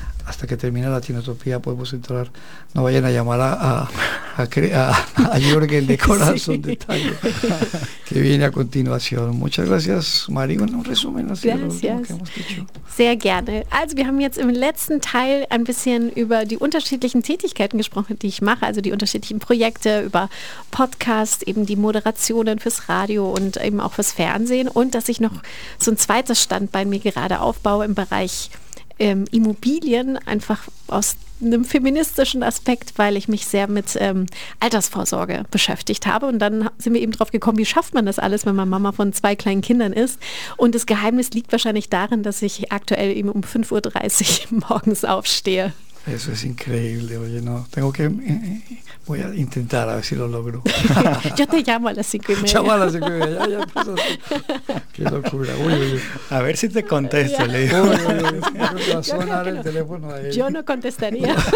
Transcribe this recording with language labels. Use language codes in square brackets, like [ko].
[es] Hasta que termine Latinotopía podemos entrar. No vayan a llamar a Jürgen de Corazón, sí, de Tango, que viene a continuación. Muchas gracias, Mario. Un resumen así, gracias, de lo último que hemos dicho. [de] Sehr gerne. Also wir haben jetzt im letzten Teil ein bisschen über die unterschiedlichen Tätigkeiten gesprochen, die ich mache, also die unterschiedlichen Projekte, über Podcasts, eben die Moderationen fürs Radio und eben auch fürs Fernsehen, und dass ich noch so ein zweites Standbein mir gerade aufbaue im Bereich Immobilien, einfach aus einem feministischen Aspekt, weil ich mich sehr mit Altersvorsorge beschäftigt habe. Und dann sind wir eben drauf gekommen, wie schafft man das alles, wenn man Mama von zwei kleinen Kindern ist. Und das Geheimnis liegt wahrscheinlich darin, dass ich aktuell eben um 5.30 Uhr morgens aufstehe. [es] Eso es increíble, oye, no, tengo que, voy a intentar a ver si lo logro. Yo te llamo a las 5:30. Llamo a las 5:30, ya empezó así. Qué locura, uy. A ver si te contesto, le digo. Uy, va a sonar el teléfono a él. Yo no contestaría.